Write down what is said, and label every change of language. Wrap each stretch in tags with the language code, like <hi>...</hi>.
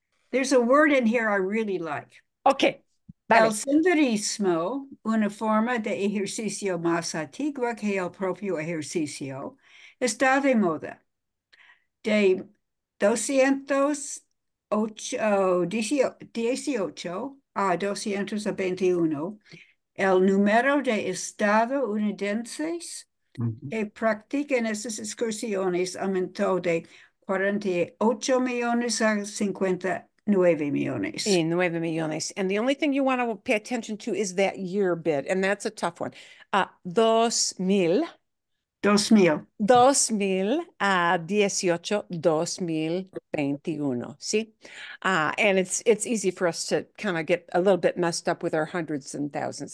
<en>There's a word in here I really like. Okay.</en> <es>Vale. El senderismo, una forma de ejercicio más antigua que el propio ejercicio, está de moda. De 218 a 221, el número de estadounidenses que practican esas excursiones aumentó de 48 millones a 59 millones. Sí, 9 millones.</es> <en>And the only thing you want to pay attention to is that year bit. And that's a tough one. 2000. 2000. 2018, 2021. Sí. And it's easy for us to kind of get a little bit messed up with our hundreds and thousands.</en>